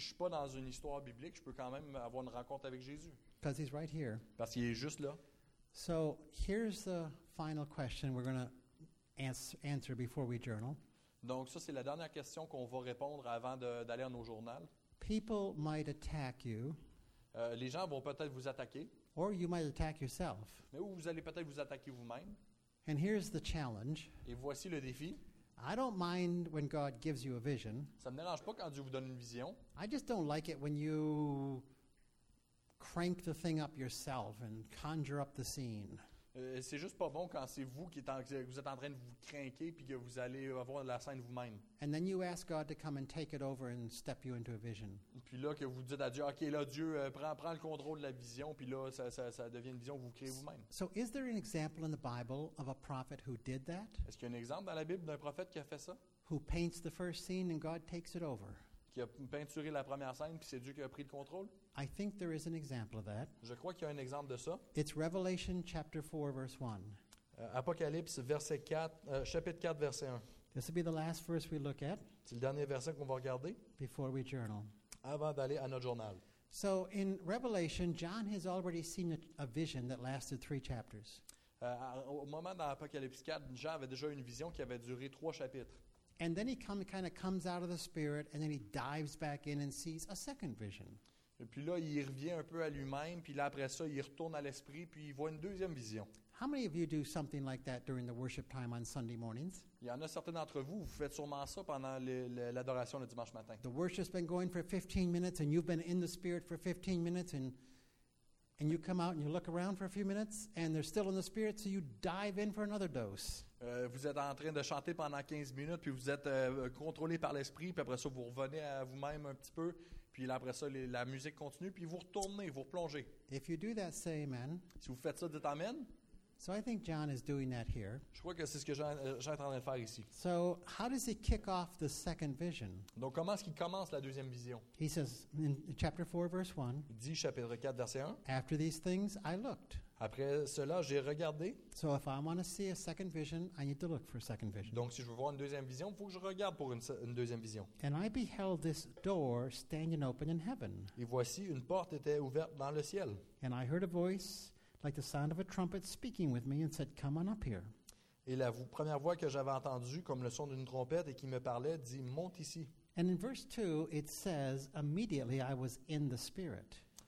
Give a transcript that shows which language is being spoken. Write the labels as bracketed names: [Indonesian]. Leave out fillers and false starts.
[French] suis pas dans une histoire biblique, je peux quand même avoir une rencontre avec Jésus. [English] Because he's right here. [French] Parce qu'il est juste là. [English] So here's the final question we're going to answer before we journal. [French] Donc ça c'est la dernière question qu'on va répondre avant d'aller à nos journaux. [English] People might attack you. [French] Les gens vont peut-être vous attaquer. [English] Or you might attack yourself. [French] Mais vous allez peut-être vous attaquer vous-même. [English] And here's the challenge. [French] Et voici le défi. [English] I don't mind when God gives you a vision. [French] Ça me dérange pas quand Dieu vous donne une vision. [English] I just don't like it when you crank the thing up yourself and conjure up the scene. [French] C'est juste pas bon quand c'est vous qui êtes en train de vous crinquer puis que vous allez avoir la scène vous-même. [English] And then you ask God to come and take it over and step you into a vision. [French] Puis là que vous dites à Dieu, ok, là Dieu prend le contrôle de la vision puis là ça devient une vision que vous créez vous-même. [English] So is there an example in the Bible of a prophet who did that? [French] Est-ce qu'il y a un exemple dans la Bible d'un prophète qui a fait ça? [English] Who paints the first scene and God takes it over? [French] Qui a peinturé la première scène puis c'est Dieu qui a pris le contrôle? [English] I think there is an example of that. [French] Je crois qu'il y a un exemple de ça. [English] It's Revelation chapter 4 verse 1. [French] Apocalypse verset 4, chapitre 4 verset 1. [English] This will be the last verse we look at. [French] C'est le dernier verset qu'on va regarder. [English] Before we journal. [French] Avant d'aller à notre journal. [English] So in Revelation, John has already seen a vision that lasted 3 chapters. [French] Au moment dans Apocalypse 4, John avait déjà une vision qui avait duré 3 chapitres. [English] And then he kind of comes out of the spirit and then he dives back in and sees a second vision. [French] Et puis là, il revient un peu à lui-même, puis là, après ça, il retourne à l'esprit, puis il voit une deuxième vision. [English] How many of you do something like that during the worship time on Sunday mornings? [French] Il y en a certains d'entre vous, vous faites sûrement ça pendant l'adoration le dimanche matin. [English] The worship's been going for 15 minutes and you've been in the spirit for 15 minutes and you come out and you look around for a few minutes and they're still in the spirit, so you dive in for another dose. [French] Vous êtes en train de chanter pendant 15 minutes, puis vous êtes contrôlé par l'esprit, puis après ça, vous revenez à vous-même un petit peu. Puis après ça, la musique continue, puis vous retournez, vous replongez. [English] If you do that, say amen. [French] Si vous faites ça, dites amen. [English] So I think John is doing that here. [French] Je crois que c'est ce que Jean est en train de faire ici. [English] So how does he kick off the second vision? [French] Donc comment est-ce qu'il commence la deuxième vision? [English] He says in chapter 4, verse 1. [French] Il dit, chapitre 4, verset 1. [English] After these things, I looked. [French] Après cela, j'ai regardé. [English] So if I want to see a second vision, I need to look for a second vision. [French] Donc si je veux voir une deuxième vision, il faut que je regarde pour une deuxième vision. [English] And I beheld this door standing open in heaven. [French] Et voici, une porte était ouverte dans le ciel. [English] And I heard a voice like the sound of a trumpet speaking with me and said, come on up here. [French] Et la première voix que j'avais entendue comme le son d'une trompette et qui me parlait dit, monte ici. [English] And in verse 2, it says, immediately I was in the spirit.